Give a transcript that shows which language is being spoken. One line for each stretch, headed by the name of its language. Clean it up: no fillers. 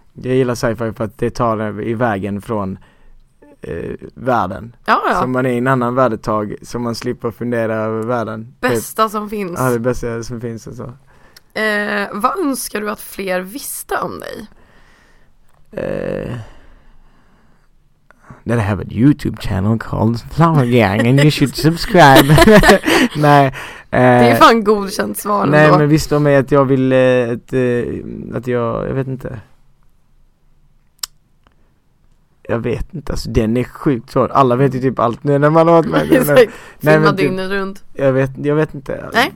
Swedish: Jag gillar sci-fi för att det tar i vägen från världen. Ja, ja. Så man är i en annan värld ett tag, så man slipper fundera över världen. Bästa typ. Som finns. Ja, det bästa som finns och så. Vad önskar du att fler visste om dig?
English: That I have a YouTube channel called Flower Gang and you should subscribe.
Swedish: Nej, det är fan godkänt svar. Nej, då. Men visst om mig att jag vill att jag vet inte. Jag vet inte, alltså den är sjukt svår. Alla vet ju typ allt nu när man har varit med. Filma dygnet runt. Jag vet inte. Nej.